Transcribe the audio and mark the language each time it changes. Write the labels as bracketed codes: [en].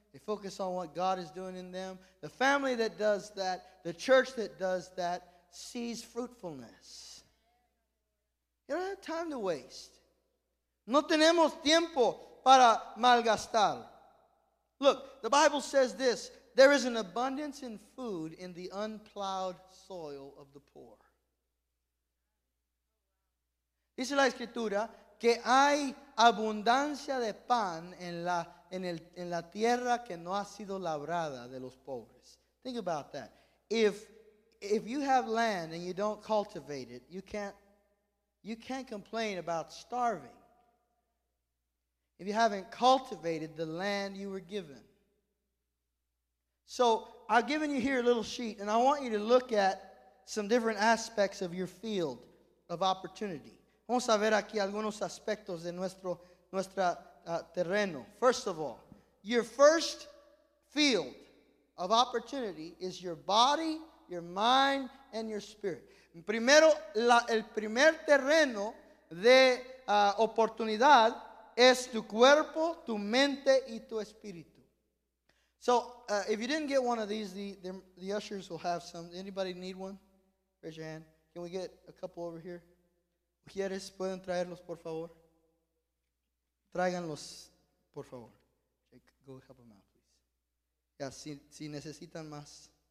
[en] They focus on what God is doing in them. The family that does that, the church that does that, sees fruitfulness. You don't have time to waste. [es] No tenemos tiempo para malgastar. [en] Look, the Bible says this, there is an abundance in food in the unplowed soil of the poor. [es] Dice la Escritura que hay abundancia de pan en la tierra que no ha sido labrada de los pobres. [en] Think about that. If you have land and you don't cultivate it, you can't complain about starving. If you haven't cultivated the land you were given. So I've given you here a little sheet, and I want you to look at some different aspects of your field of opportunity. [es] Vamos a ver aquí algunos aspectos de nuestro terreno. [en] First of all, your first field of opportunity is your body, your mind, and your spirit. [es] Primero, el primer terreno de oportunidad es tu cuerpo, tu mente, y tu espíritu. [en] So, if you didn't get one of these, the ushers will have some. Anybody need one? Raise your hand. Can we get a couple over here? [es] ¿Quieres? ¿Pueden traerlos, por favor? Tráiganlos, por favor. [en] Go help them out, please. Yeah, [es] si necesitan más.